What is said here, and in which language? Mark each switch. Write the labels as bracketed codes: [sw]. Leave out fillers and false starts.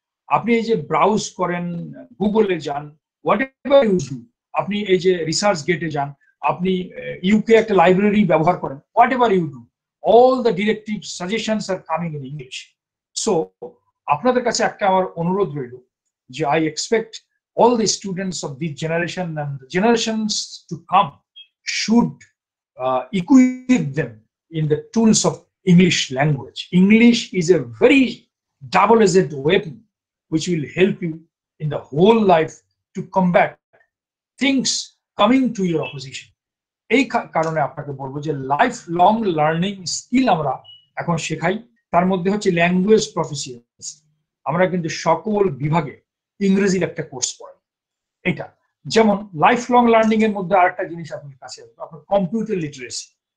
[bn] আপনি এই যে ব্রাউজ করেন, গুগলে যান, [en] whatever you do, [bn] আপনি এই যে রিসার্চ গেটে যান, আপনি ইউকে একটা লাইব্রেরি ব্যবহার করেন, what ever you do, [en] All the directive suggestions are coming in English. [bn] So আপনাদের কাছে একটা আমার অনুরোধ রইল যে [en] I expect all the students of this generation and generations to come should equip them in the tools of English language. English is a very double edged weapon which will help you in the whole life to combat things coming to your opposition. [bn] এই কারণে আপনাকে বলবো যে lifelong learning skill আমরা এখন শেখাই, তার মধ্যে হচ্ছে ল্যাঙ্গুয়েজ প্রফিসিয়েন্সি। আমরা কিন্তু সকল বিভাগে ইংরেজির একটা কোর্স পড়ি, এটা যেমন lifelong learning এর মধ্যে আরেকটা জিনিস আপনার কাছে আসবে, আপনার কম্পিউটার লিটারেসি।